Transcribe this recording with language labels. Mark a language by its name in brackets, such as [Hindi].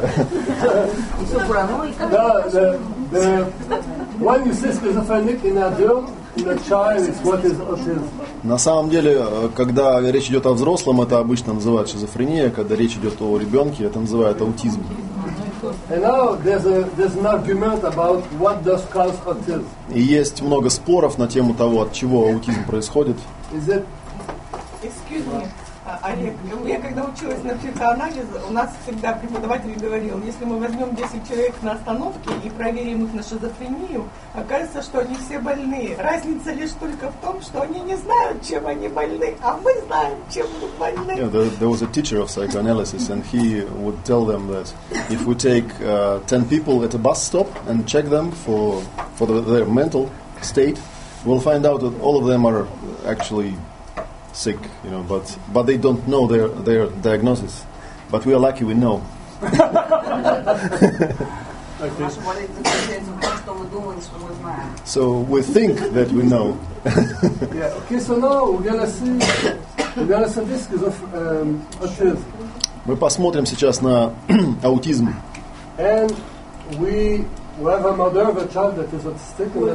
[English] The when you say schizophrenic in adult, in a child, it's what is autism. [Russian] На самом деле, когда речь идет о взрослом, это обычно называют шизофрения. Когда речь идет о ребенке, это называют аутизм. [English] And now there's an argument about what does cause autism. [Russian] И есть много споров на тему того, от чего аутизм происходит. [English] Is it? Excuse me. [Russian] Олег, я когда училась на психоанализ, у нас всегда преподаватель говорил, если мы возьмем 10 человек на остановке и проверим их на шизофрению, окажется, что они все больные. Разница лишь только в том, что они не знают, чем они больны, а мы знаем, чем мы больны. [English] Yeah, there was a teacher of psychoanalysis, and he would tell them that if we take 10 people at a bus stop and check them for their mental state, we'll find out that all of them are actually sick, you know, but they don't know their diagnosis. But we are lucky we know. So we think that we know. Yeah, okay, so now we're gonna see this is of autism. [Russian] Мы посмотрим сейчас на аутизм. [English] And we have a mother of a child that is autistic.